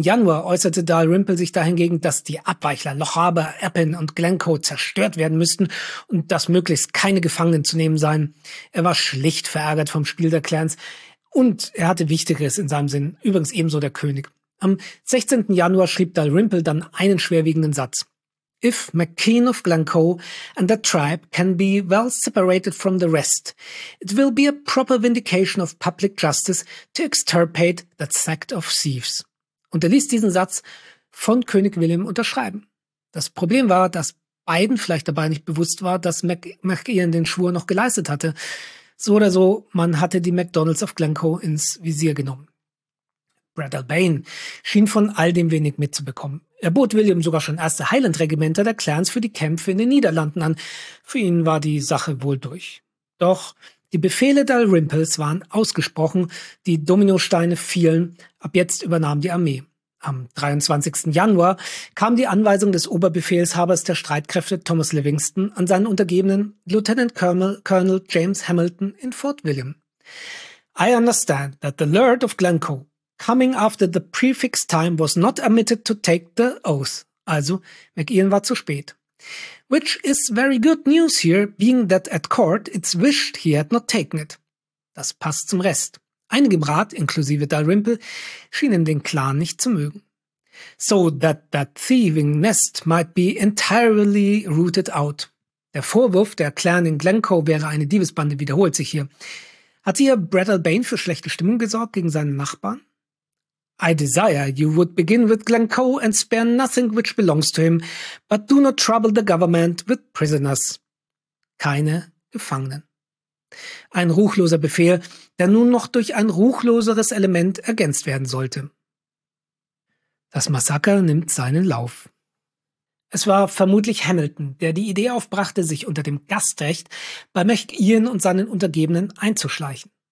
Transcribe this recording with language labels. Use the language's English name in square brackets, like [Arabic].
[German] Januar äußerte Dalrymple sich dahingegen, dass die Abweichler Lochaber, Appin und Glencoe zerstört werden müssten und dass möglichst keine Gefangenen zu nehmen seien. Er war schlicht verärgert vom Spiel der Clans und er hatte Wichtigeres in seinem Sinn, übrigens ebenso der König. Am 16. Januar schrieb Dalrymple dann einen schwerwiegenden Satz. [English] If MacKean of Glencoe and the tribe can be well separated from the rest, it will be a proper vindication of public justice to extirpate that sect of thieves. [German] Und er ließ diesen Satz von König William unterschreiben. Das Problem war, dass beiden vielleicht dabei nicht bewusst war, dass MacKean den Schwur noch geleistet hatte. So oder so, man hatte die MacDonalds of Glencoe ins Visier genommen. Breadalbane schien von all dem wenig mitzubekommen. Er bot William sogar schon erste Highland-Regimenter der Clans für die Kämpfe in den Niederlanden an. Für ihn war die Sache wohl durch. Doch die Befehle Dalrymples waren ausgesprochen, die Dominosteine fielen, ab jetzt übernahm die Armee. Am 23. Januar kam die Anweisung des Oberbefehlshabers der Streitkräfte Thomas Livingston an seinen Untergebenen Lieutenant Colonel James Hamilton in Fort William. [English] I understand that the Laird of Glencoe coming after the prefix time was not admitted to take the oath. [German] Also, MacIan war zu spät. [English] Which is very good news here, being that at court it's wished he had not taken it. [German] Das passt zum Rest. Einige im Rat, inklusive Dalrymple, schienen den Clan nicht zu mögen. [English] So that thieving nest might be entirely rooted out. [German] Der Vorwurf, der Clan in Glencoe wäre eine Diebesbande, wiederholt sich hier. Hat hier Brad Albane für schlechte Stimmung gesorgt gegen seinen Nachbarn? [English] I desire you would begin with Glencoe and spare nothing which belongs to him, but do not trouble the government with prisoners. [German] Keine Gefangenen. Ein ruchloser Befehl, der nun noch durch ein ruchloseres Element ergänzt werden sollte. Das Massaker nimmt seinen Lauf. Es war vermutlich Hamilton, der die Idee aufbrachte, sich unter dem Gastrecht bei McIan und seinen Untergebenen einzuschleichen.